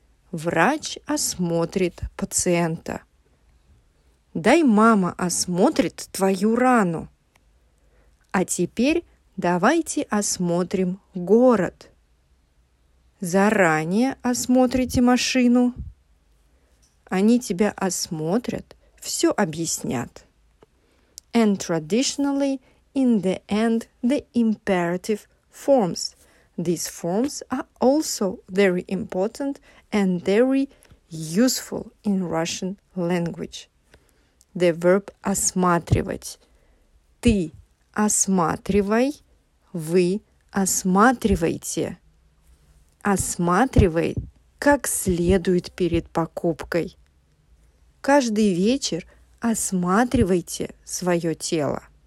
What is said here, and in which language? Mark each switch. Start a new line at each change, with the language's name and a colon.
Russian: Врач осмотрит пациента. Дай мама осмотрит твою рану. А теперь давайте осмотрим город. Заранее осмотрите машину. Они тебя осмотрят, все объяснят.
English: And traditionally, in the end, the imperative forms. These forms are also very important and very useful in Russian language. The verb осматривать.
Russian: Ты осматривай, вы осматривайте. Осматривай как следует перед покупкой. Каждый вечер осматривайте свое тело.